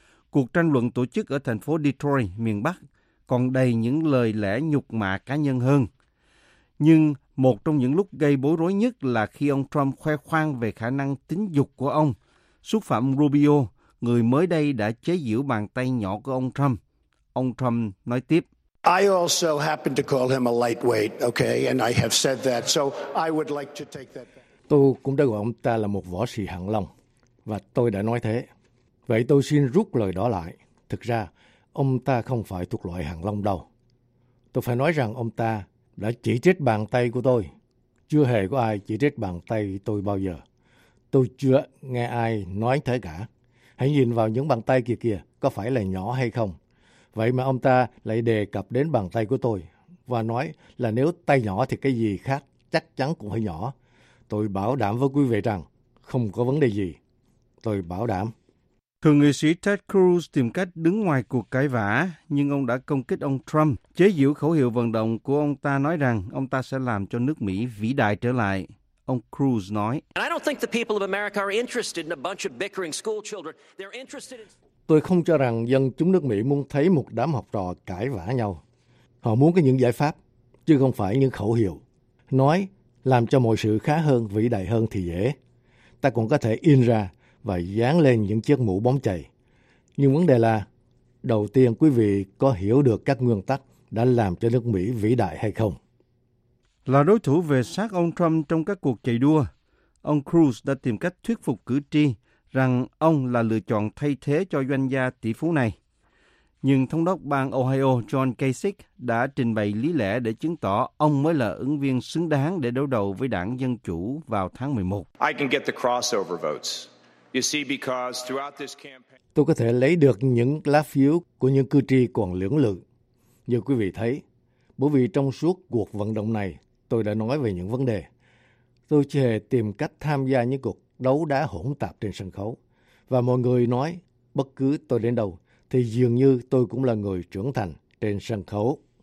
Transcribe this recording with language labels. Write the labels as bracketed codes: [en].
[vi] Cuộc tranh luận tổ chức ở thành phố Detroit, miền Bắc, còn đầy những lời lẽ nhục mạ cá nhân hơn. Nhưng một trong những lúc gây bối rối nhất là khi ông Trump khoe khoang về khả năng tính dục của ông, xúc phạm Rubio, người mới đây đã chế giễu bàn tay nhỏ của ông Trump. Ông Trump nói tiếp. [en] I also happen to call him a lightweight, okay, and I have said that, so I would like to take that. [vi] Tôi cũng đã gọi ông ta là một võ sĩ hạng lòng, và tôi đã nói thế. Vậy tôi xin rút lời đó lại. Thực ra, ông ta không phải thuộc loại hạng lòng đâu. Tôi phải nói rằng ông ta đã chỉ trích bàn tay của tôi. Chưa hề có ai chỉ trích bàn tay tôi bao giờ. Tôi chưa nghe ai nói thế cả. Hãy nhìn vào những bàn tay kia kìa, có phải là nhỏ hay không? Vậy mà ông ta lại đề cập đến bàn tay của tôi và nói là nếu tay nhỏ thì cái gì khác chắc chắn cũng hơi nhỏ. Tôi bảo đảm với quý vị rằng không có vấn đề gì. Tôi bảo đảm. Thượng nghị sĩ Ted Cruz tìm cách đứng ngoài cuộc cãi vã, nhưng ông đã công kích ông Trump, chế giễu khẩu hiệu vận động của ông ta nói rằng ông ta sẽ làm cho nước Mỹ vĩ đại trở lại. Ông Cruz nói. [en] And I don't think the people of America are interested in a bunch of bickering school children. They're interested in... [vi] Tôi không cho rằng dân chúng nước Mỹ muốn thấy một đám học trò cãi vã nhau. Họ muốn có những giải pháp, chứ không phải những khẩu hiệu. Nói, làm cho mọi sự khá hơn, vĩ đại hơn thì dễ. Ta cũng có thể in ra và dán lên những chiếc mũ bóng chày. Nhưng vấn đề là, đầu tiên quý vị có hiểu được các nguyên tắc đã làm cho nước Mỹ vĩ đại hay không? Là đối thủ về sát ông Trump trong các cuộc chạy đua, ông Cruz đã tìm cách thuyết phục cử tri rằng ông là lựa chọn thay thế cho doanh gia tỷ phú này. Nhưng thống đốc bang Ohio John Kasich đã trình bày lý lẽ để chứng tỏ ông mới là ứng viên xứng đáng để đối đầu với đảng Dân Chủ vào tháng 11. [en] I can get the crossover votes. You see, because throughout this campaign... [vi] Tôi có thể lấy được những lá phiếu của những cử tri còn lưỡng lự. Như quý vị thấy, bởi vì trong suốt cuộc vận động này, tôi đã nói về những vấn đề. Tôi chưa hề tìm cách tham gia những cuộc đấu đá hỗn tạp trên sân khấu. Và mọi người nói, bất cứ tôi đến đâu, thì dường như tôi cũng là người trưởng thành trên sân khấu.